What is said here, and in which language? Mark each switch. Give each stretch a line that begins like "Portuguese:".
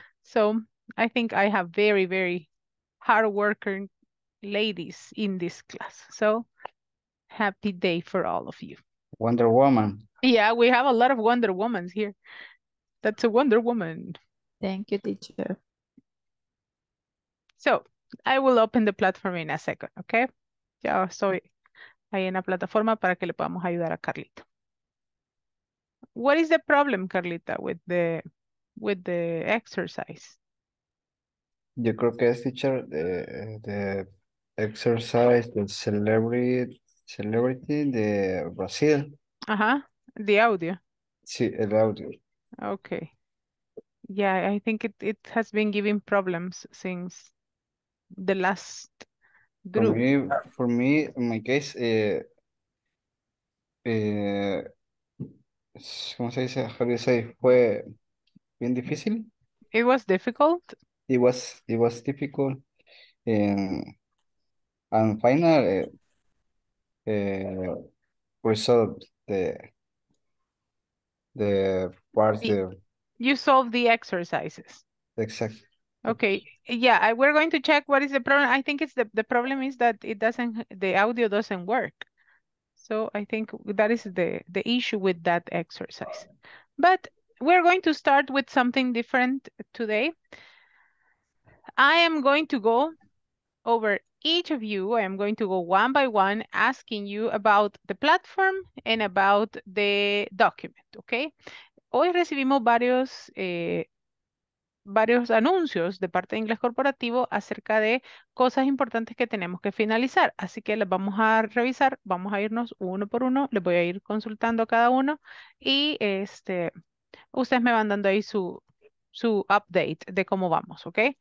English: So I think I have very, very hard worker ladies in this class. So happy day for all of you. Wonder Woman. Yeah, we have a lot of Wonder Womans here. That's a Wonder Woman. Thank you, teacher. So I will open the platform in a second, okay?
Spanish: Ya estoy ahí en la plataforma para que le podamos ayudar a Carlita.
English: What is the problem, Carlita, with the exercise?
Spanish: Yo creo que es teacher de exercise del celebrity de Brasil.
English: Ajá. The audio.
Spanish: Sí, el audio.
English: Okay. Yeah, I think it has been giving problems since the last group. For me, in my case,
Spanish: ¿cómo se dice?
English: How do you say?
Spanish: Fue bien difícil.
English: It was difficult. It was difficult. And final result the parts The the you solve the exercises. exact. Okay, yeah, we're going to check what is the problem. I think it's the problem is that it doesn't, the audio doesn't work. So I think that is the issue with that exercise. But we're going to start with something different today. I am going to go over each of you. I am going to go one by one asking you about the platform and about the document, okay?
Spanish: Hoy recibimos varios anuncios de parte de Inglés Corporativo acerca de cosas importantes que tenemos que finalizar. Así que las vamos a revisar, vamos a irnos uno por uno, les voy a ir consultando a cada uno y ustedes me van dando ahí su update de cómo vamos, ¿ok?